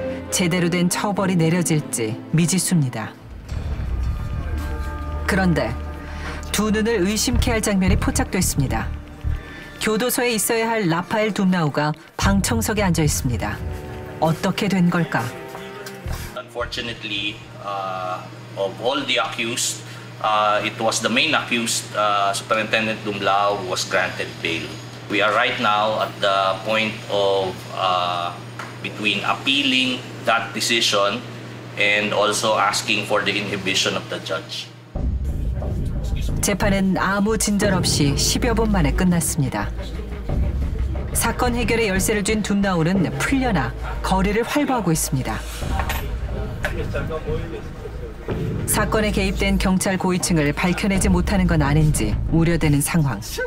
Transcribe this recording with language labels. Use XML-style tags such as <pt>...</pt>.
<ko>제대로 된 처벌이 내려질지 미지수입니다. 그런데 두 눈을 의심케 할 장면이 포착됐습니다. 교도소에 있어야 할 라파엘 둠나우가 방청석에 앉아 있습니다. 어떻게 된 걸까?</ko> <en>Unfortunately, of all the accused, it was the main accused, Superintendent Dumlao, who was granted bail. We are right now at the point of between appealing that decision and also asking for the inhibition of the judge.</en> <ko>재판은 아무 진전 없이 10여 분 만에 끝났습니다. 사건 해결에 열쇠를 쥔 둠나우는 풀려나 거리를 활보하고 있습니다. 사건에 개입된 경찰 고위층을 밝혀내지 못하는 건 아닌지 우려되는 상황.</ko>